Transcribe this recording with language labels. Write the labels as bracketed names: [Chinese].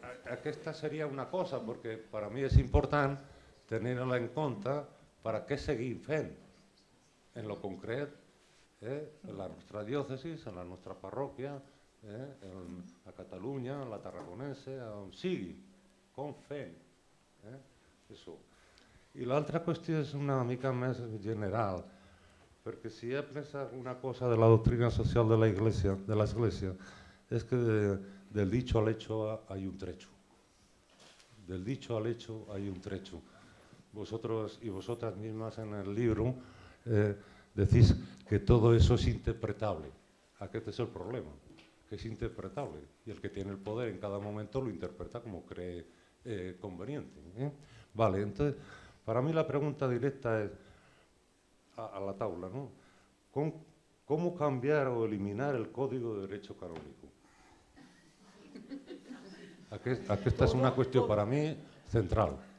[Catalan] Aquesta seria una cosa, perquè per a mi és important tenir-la en compte per a què seguim fent en lo concret, en la nostra diòcesi, en la nostra parròquia, en la Catalunya, en la Tarragonense, on sigui, com fem. Això. I l'altra qüestió és una mica més general, perquè si he après alguna cosa de la doctrina social de l'Església, és que [Spanish] del dicho al hecho hay un trecho. Del dicho al hecho hay un trecho. Vosotros y vosotras mismas en el libro decís que todo eso es interpretable. Aquest es el problema, que es interpretable. Y el que tiene el poder en cada momento lo interpreta como cree conveniente. Vale, entonces, para mí la pregunta directa es [Catalan] a la taula, [Spanish] ¿no? ¿Cómo cambiar o eliminar el código de derecho canónico? [Catalan] Aquesta és una qüestió per a mi central.